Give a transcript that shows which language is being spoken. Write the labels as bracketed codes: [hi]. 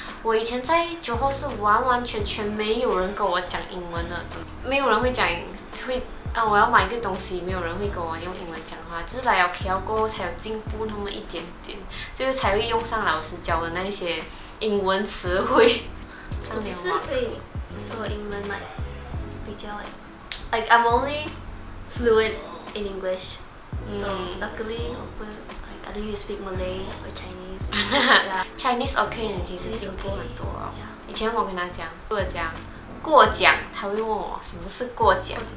[zh] 我以前在酒后是完完全全没有人跟我讲英文的，没有人会讲会啊，我要买一个东西，没有人会跟我用英文讲话，就是来了 KL 过后才有进步那么一点点，就是才会用上老师教的那一些英文词汇。上年我是可以说英文来。 [en] Like I'm only fluent in English, so luckily, I don't even speak Malay or Chinese. Yeah. Chinese okay, [zh] 其实进步很多。以前我跟他讲过奖，过奖，他会问我什么是过奖。